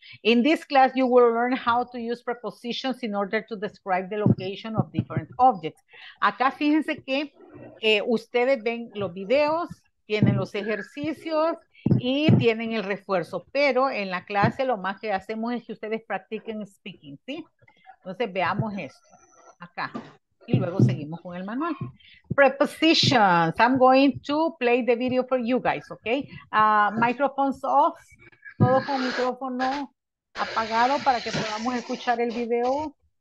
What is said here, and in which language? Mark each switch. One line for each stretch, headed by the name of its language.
English: In this class you will learn how to use prepositions in order to describe the location of different objects.
Spanish: Acá fíjense que ustedes ven los videos, tienen los ejercicios y tienen el refuerzo, pero en la clase lo más que hacemos es que ustedes practiquen speaking, ¿sí? Entonces veamos esto acá. Y luego seguimos con el manual.
English: Prepositions. I'm going to play the video for you guys, okay? Microphones off.
Spanish: Todo con micrófono apagado para que podamos escuchar el video.